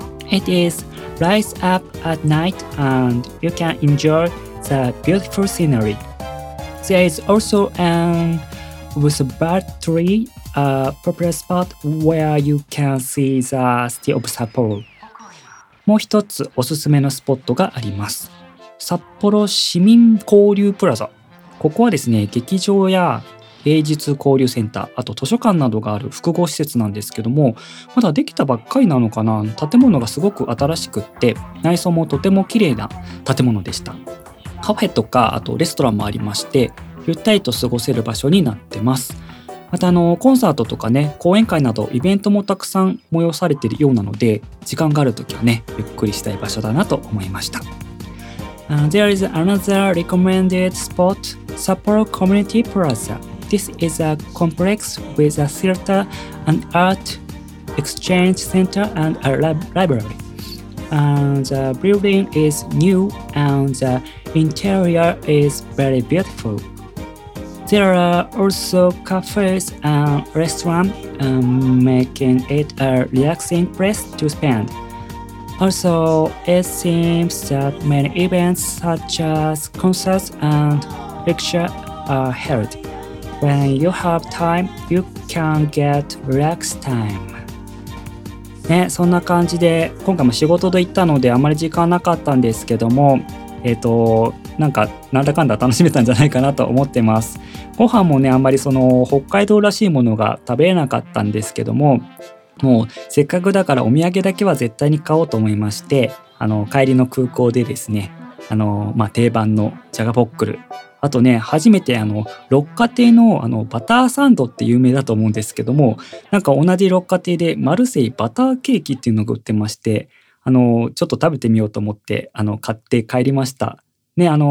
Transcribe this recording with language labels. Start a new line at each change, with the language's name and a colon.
English: It is lights up at night and you can enjoy the beautiful scenery. There is also an observatory, a popular spot where you can see the city of Sapporo.
Japanese: もう一つおすすめのスポットがあります。札幌市民交流プラザ、ここはですね、劇場や芸術交流センター、あと図書館などがある複合施設なんですけども、まだできたばっかりなのかな。建物がすごく新しくって、内装もとても綺麗な建物でした。カフェとか、あとレストランもありまして、ゆったりと過ごせる場所になってます。またコンサートとかね、講演会などイベントもたくさん催されているようなので、時間があるときはね、ゆっくりしたい場所だなと思いました。
English: There is another recommended spot, Sapporo Community Plaza. This is a complex with a theater, an art exchange center and a library. The building is new and the interior is very beautiful. There are also cafes and restaurants, making it a relaxing place to spend. Also, it seems that many events such as concerts and lectures are held. When you have time, you can get relaxed time.
Japanese: ね、そんな感じで今回も仕事で行ったのであまり時間なかったんですけども、なんかなんだかんだ楽しめたんじゃないかなと思ってます。ご飯もねあんまりその北海道らしいものが食べれなかったんですけども、もうせっかくだからお土産だけは絶対に買おうと思いまして、帰りの空港でですね、定番のジャガポックル、あとね初めて六花亭 の, あのバターサンドって有名だと思うんですけども、なんか同じ六花亭でマルセイバターケーキっていうのが売ってまして、ちょっと食べてみようと思って買って帰りましたね。